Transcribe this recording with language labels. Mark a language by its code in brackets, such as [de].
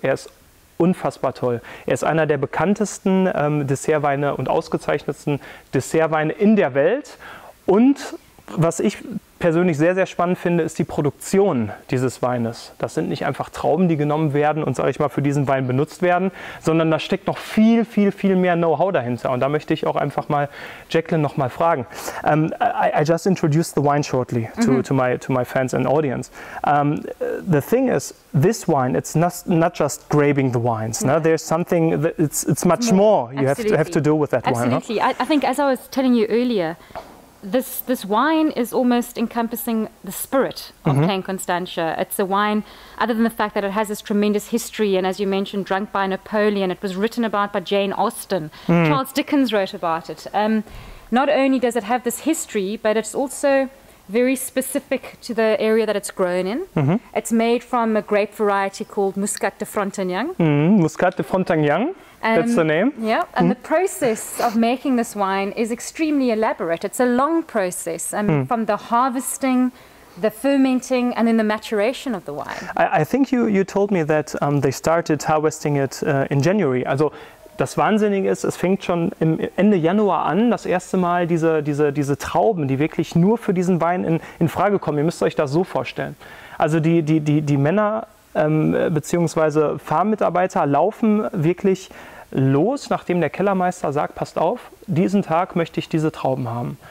[de] Er ist unfassbar toll. Er ist einer der bekanntesten Dessertweine und ausgezeichnetsten Dessertweine in der Welt. Und was ich persönlich sehr, sehr spannend finde, ist die Produktion dieses Weines. Das sind nicht einfach Trauben, die genommen werden und, sage ich mal, für diesen Wein benutzt werden, sondern da steckt noch viel, viel, viel mehr Know-how dahinter. Und da möchte ich auch einfach mal Jacqueline noch mal fragen. [en] I just introduced the wine shortly to my fans and audience. The thing is, this wine, it's not just grabbing the wines. Yeah. No? There's something, that it's much more you have to do with that. Absolutely. Wine. Absolutely. I think, as I was telling you earlier, This wine is almost encompassing the spirit of Plain Constantia. It's a wine, other than the fact that it has this tremendous history, and as you mentioned, drunk by Napoleon, it was written about by Jane Austen. Mm. Charles Dickens wrote about it. Not only does it have this history, but it's also very specific to the area that it's grown in. Mm-hmm. It's made from a grape variety called Muscat de Frontagnac. Muscat de Frontagnac. That's the name. Yeah, and the process of making this wine is extremely elaborate. It's a long process, from the harvesting, the fermenting, and then the maturation of the wine. I think you told me that they started harvesting it in January. [de] Also, das Wahnsinnige ist, es fängt schon im Ende Januar an, das erste Mal diese Trauben, die wirklich nur für diesen Wein in Frage kommen. Ihr müsst euch das so vorstellen. Also die Männer beziehungsweise Farmmitarbeiter laufen wirklich los, nachdem der Kellermeister sagt, passt auf, diesen Tag möchte ich diese Trauben haben.